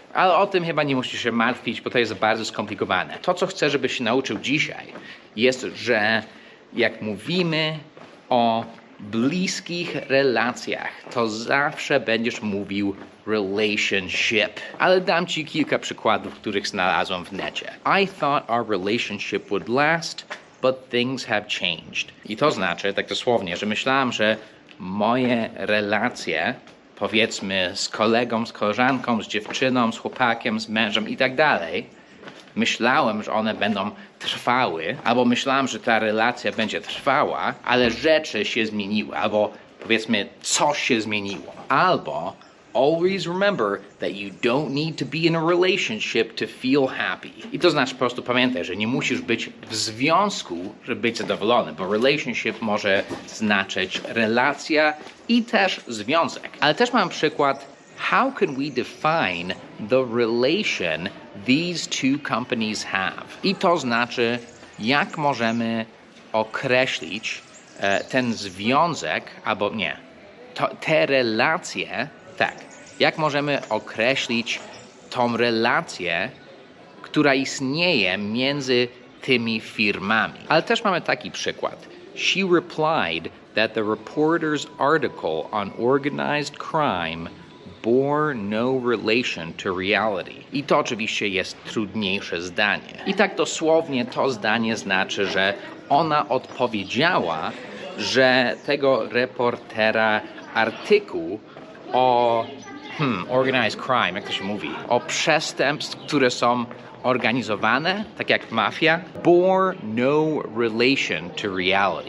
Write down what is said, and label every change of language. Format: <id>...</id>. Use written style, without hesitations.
<pl>Ale o tym chyba nie musisz się martwić, bo to jest bardzo skomplikowane. To, co chcę, żebyś się nauczył dzisiaj, jest, że jak mówimy o bliskich relacjach, to zawsze będziesz mówił relationship. Ale dam ci kilka przykładów, których znalazłem w necie.</pl> <en>I thought our relationship would last, but things have changed.</en> <pl>I to znaczy, tak dosłownie, że myślałem, że moje relacje, powiedzmy z kolegą, z koleżanką, z dziewczyną, z chłopakiem, z mężem i tak dalej, myślałem, że one będą trwały, albo myślałem, że ta relacja będzie trwała, ale rzeczy się zmieniły, albo powiedzmy coś się zmieniło. Albo</pl> <en>always remember that you don't need to be in a relationship to feel happy.</en> <pl>I to znaczy po prostu pamiętaj, że nie musisz być w związku, żeby być zadowolony, bo relationship może znaczyć relacja i też związek. Ale też mam przykład,</pl> <en>how can we define the relation these two companies have?</en> <pl>I to znaczy, jak możemy określić ten związek, albo nie, te relacje. Tak, jak możemy określić tą relację, która istnieje między tymi firmami? Ale też mamy taki przykład.</pl> <en>She replied that the reporter's article on organized crime bore no relation to reality.</en> <pl>I to oczywiście jest trudniejsze zdanie. I tak dosłownie to zdanie znaczy, że ona odpowiedziała, że tego reportera artykuł o organized crime, jak to się mówi, o przestępstw, które są organizowane, tak jak mafia,</pl> <en>bore no relation to reality.</en>